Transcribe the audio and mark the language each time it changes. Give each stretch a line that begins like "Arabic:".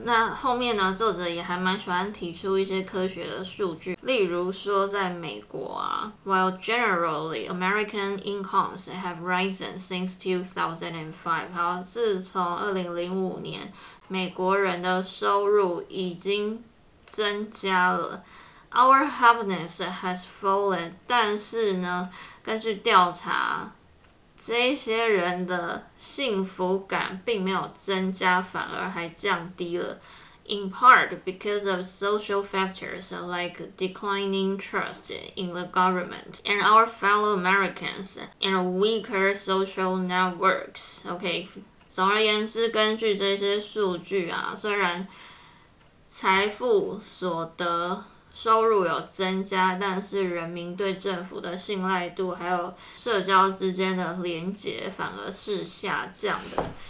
Chinese: 那后面呢，作者也还蛮喜欢提出一些科学的数据，例如说在美国啊，
English: While generally American incomes have risen since 2005，
Chinese: 好，自从2005年美国人的收入已经增加了，
English: Our happiness has fallen，
Chinese: 但是呢根据调查，这些人的幸福感并没有增加，反而还降低了。
English: In part because of social factors like declining trust in the government and our fellow Americans and weaker social networks.
Chinese: Okay, 总而言之，根据这些数据啊，虽然财富所得收入有增加，但是人民对政府的信赖度还有社交之间的连结反而是下降的。